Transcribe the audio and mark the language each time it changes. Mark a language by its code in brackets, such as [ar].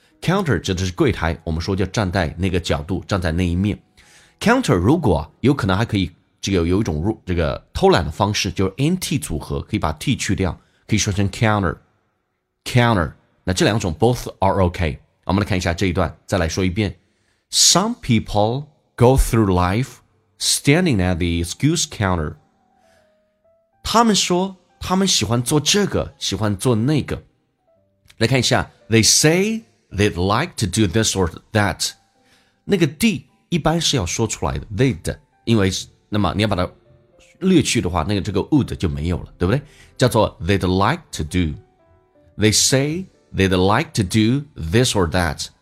[zh] counter 指的是柜台，我们说就站在那个角度，站在那一面。 counter 如果有可能还可以这个有一种这个偷懒的方式，就是 NT 组合，可以把 T 去掉，可以说成 counter counter。那这两种 [en] both are OK。 [zh] 我们来看一下这一段，再来说一遍。 [en] Some people go through life standing at the excuse counter. [zh] 他们说他们喜欢做这个，喜欢做那个。来看一下， [en] They say they'd like to do this or that. [zh] 那个 D 一般是要说出来的， they'd， 因为那么你要把它略去的话，那个这个 would 就没有了，对不对？叫做 [en] they'd like to do， they say they'd like to do this or that。